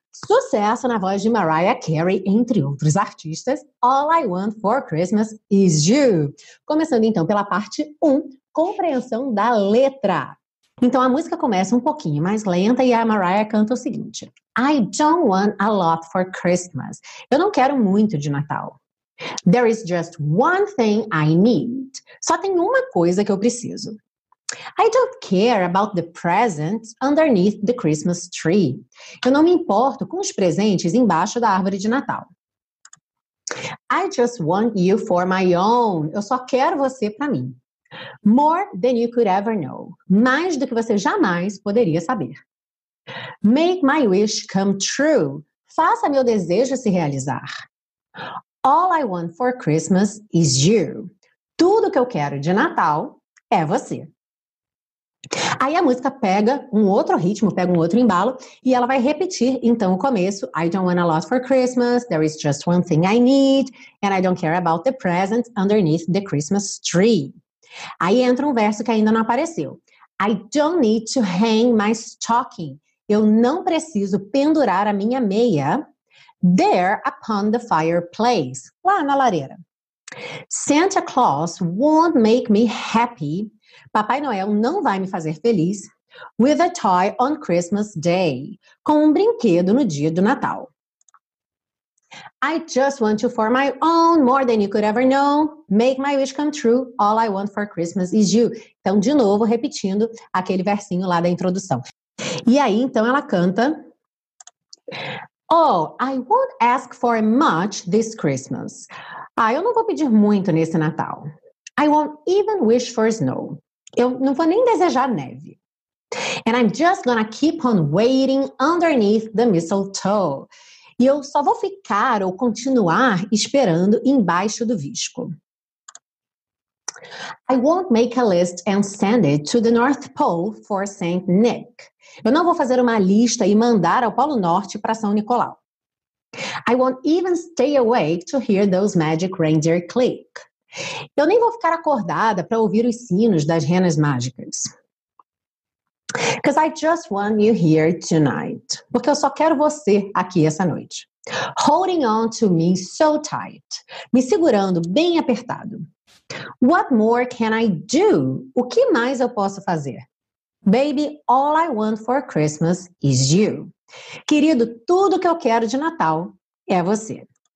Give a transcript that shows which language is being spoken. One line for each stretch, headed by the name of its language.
Portuguese: Sucesso na voz de Mariah Carey, entre outros artistas, All I Want for Christmas is You. Começando então pela parte 1, compreensão da letra. Então a música começa um pouquinho mais lenta e a Mariah canta o seguinte:
English: I don't want a lot for Christmas.
Portuguese: Eu não quero muito de Natal.
English: There is just one thing I need.
Portuguese: Só tem uma coisa que eu preciso.
English: I don't care about the presents underneath the Christmas tree.
Portuguese: Eu não me importo com os presentes embaixo da árvore de Natal.
English: I just want you for my own.
Portuguese: Eu só quero você para mim.
English: More than you could ever know.
Portuguese: Mais do que você jamais poderia saber.
English: Make my wish come true.
Portuguese: Faça meu desejo se realizar.
English: All I want for Christmas is you.
Portuguese: Tudo que eu quero de Natal é você. Aí a música pega um outro ritmo, pega um outro embalo e ela vai repetir então o começo.
English: I don't want a lot for Christmas, there is just one thing I need, and I don't care about the presents underneath the Christmas tree.
Portuguese: Aí entra um verso que ainda não apareceu.
English: I don't need to hang my stocking.
Portuguese: Eu não preciso pendurar a minha meia
English: there upon the fireplace,
Portuguese: lá na lareira.
English: Santa Claus won't make me happy.
Portuguese: Papai Noel não vai me fazer feliz
English: with a toy on Christmas Day,
Portuguese: com um brinquedo no dia do Natal.
English: I just want to for my own, more than you could ever know. Make my wish come true. All I want for Christmas is you.
Portuguese: Então, de novo, repetindo aquele versinho lá da introdução. E aí, então, ela canta.
English: Oh, I won't ask for much this Christmas.
Portuguese: Ah, eu não vou pedir muito nesse Natal.
English: I won't even wish for snow.
Portuguese: Eu não vou nem desejar neve.
English: And I'm just gonna keep on waiting underneath the mistletoe.
Portuguese: E eu só vou ficar ou continuar esperando embaixo do visco.
English: I won't make a list and send it to the North Pole for Saint Nick.
Portuguese: Eu não vou fazer uma lista e mandar ao Polo Norte para São Nicolau.
English: I won't even stay awake to hear those magic reindeer click.
Portuguese: Eu nem vou ficar acordada para ouvir os sinos das renas mágicas.
English: Because I just want you here tonight.
Portuguese: Porque eu só quero você aqui essa noite.
English: Holding on to me so tight.
Portuguese: Me segurando bem apertado.
English: What more can I do?
Portuguese: O que mais eu posso fazer?
English: Baby, all I want for Christmas is you.
Portuguese: Querido, tudo que eu quero de Natal é você.